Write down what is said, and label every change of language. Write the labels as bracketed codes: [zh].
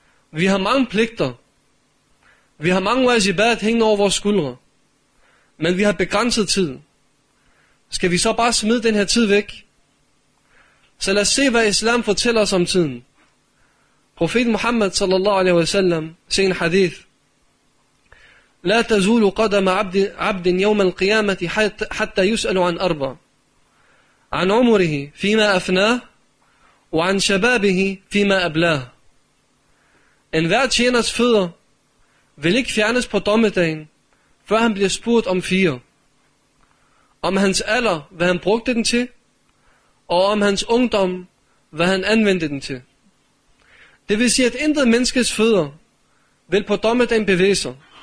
[da] Vi har mange pligter. Vi har mange wajibat hængende over vores skuldre. Men vi har begrænset tid. Skal vi så bare smide den her tid væk? Så lad os se, hvad islam fortæller os om tiden. Profeten Muhammad sallallahu alaihi wasallam siger en hadith. [ar] لا تزول قدم عبد يوم القيامة حتى يسأل عن أربع عن عمره فيما أفناه وعن شبابه فيما أبلاه. [da] En hver tjeners fødder vil ikke fjernes på dommedagen, før han bliver spurgt om fire. Om hans alder, hvad han brugte den til, og om hans ungdom, hvad han anvendte den til. Det vil sige, at intet menneskes fødder vil på dommedagen bevæge sig.